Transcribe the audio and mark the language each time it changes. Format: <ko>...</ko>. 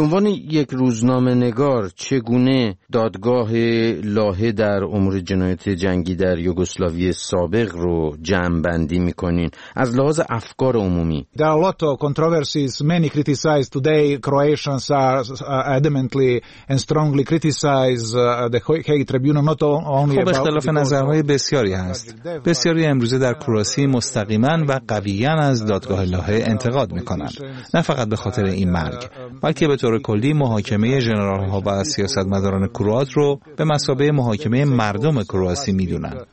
<fa>عنوان یک روزنامه نگار چگونه دادگاه لاهه در امور جنایت جنگی در یوگسلاوی سابق رو جمع بندی میکنین از لحاظ افکار عمومی؟</fa> <en>There are a lot of controversies, many criticized today. Croatians are adamantly and strongly criticized the Hague Tribunal, not only about</en> <fa>اختلاف نظرهای بسیاری هست. بسیاری امروزه در کرواسی مستقیما و قویا از دادگاه لاهه انتقاد میکنند. نه فقط به خاطر این مرگ بلکه به طور کلی محاکمه ژنرال ها و سیاستمداران کروات رو به مثابه محاکمه مردم کرواسی میدونن.</fa>